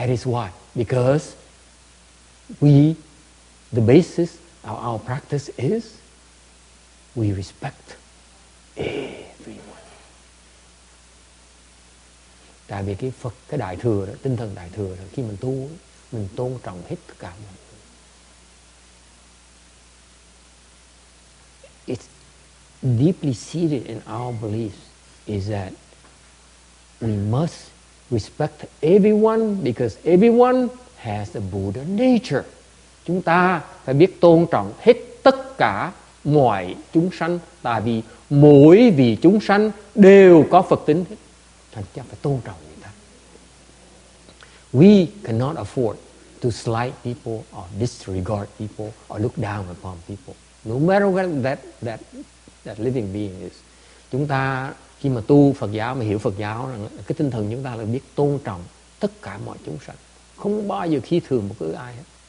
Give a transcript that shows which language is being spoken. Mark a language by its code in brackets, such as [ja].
[en] That is why, because we, the basis of our practice is we respect everyone. [vi] Tại vì cái Phật, cái đại thừa đó, tinh thần đại thừa đó, khi mình tu, mình tôn trọng hết tất cả mọi người. [en] It's deeply seated in our beliefs is that we must respect everyone because everyone has a Buddha nature. [vi] Chúng ta phải biết tôn trọng hết tất cả mọi chúng sanh tại vì mỗi vị chúng sanh đều có Phật tính hết. Chúng ta phải tôn trọng người ta. [en] We cannot afford to slight people or disregard people or look down upon people. No matter what that living being is. [vi] Chúng ta khi mà tu Phật giáo, mà hiểu Phật giáo, cái tinh thần chúng ta là biết tôn trọng tất cả mọi chúng sanh. Không bao giờ khi thường một cái ai hết.